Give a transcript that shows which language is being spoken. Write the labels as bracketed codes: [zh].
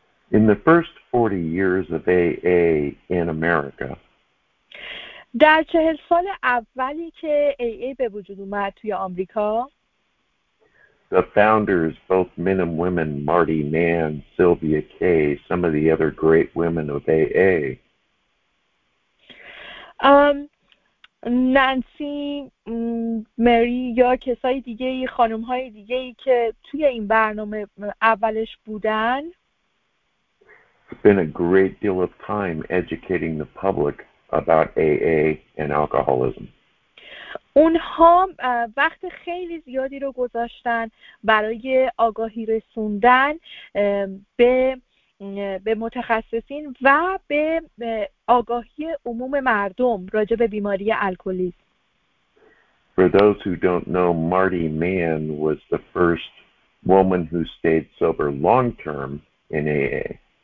[en] In the first 40 years of AA in America. [fa] در 40 سال اولی که AA به وجود اومد توی آمریکا، [en] the founders, both men and women, Marty Mann, Sylvia Kay, some of the other great women of AA. [fa] نانسی، مری یا کسای دیگه، خانم های دیگه که توی این برنامه اولش بودن؟ [en] It's been a great deal of time educating the public about AA and alcoholism. [fa] اونها وقت خیلی زیادی رو گذاشتن برای آگاهی رسوندن به متخصصین و به آگاهی عموم مردم راجع به بیماری الکلیسم. [en] For those who don't know, Marty Mann was the first woman who stayed sober long term in AA.